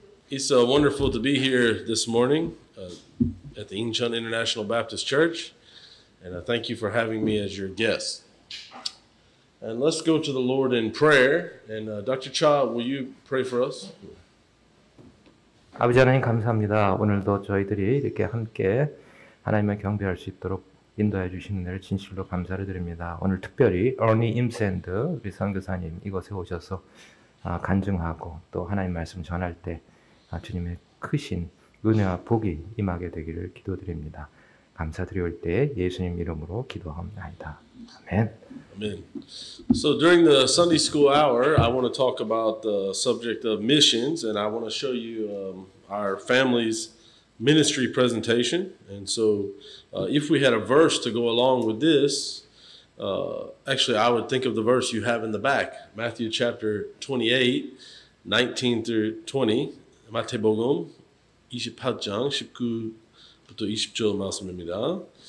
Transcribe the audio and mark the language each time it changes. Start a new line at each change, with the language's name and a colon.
English: It's wonderful to be here this morning at the Incheon International Baptist Church, and I thank you for having me as your guest. And let's go to the Lord in prayer. And Dr. Cha, will you pray for us?
Korean: 아버지 하나님 감사합니다. 오늘도 저희들이 이렇게 함께 하나님을 경배할 수 있도록 인도해 주시는 데를 진실로 감사를 드립니다. 오늘 특별히 Ernie, Imsand 우리 선교사님 이곳에 오셔서 간증하고 또 하나님 말씀 전할 때 주님의 크신 은혜와 복이 임하게 되기를 기도드립니다. 감사드려올 때 예수님 이름으로 기도합니다. 아멘.
English: Amen. So during the Sunday school hour, I want to talk about the subject of missions, and I want to show you our family's ministry presentation. And so if we had a verse to go along with this, actually I would think of the verse you have in the back, Matthew chapter 28, 19 through 20,
Korean: 마태복음 28장 19부터 20절 말씀입니다.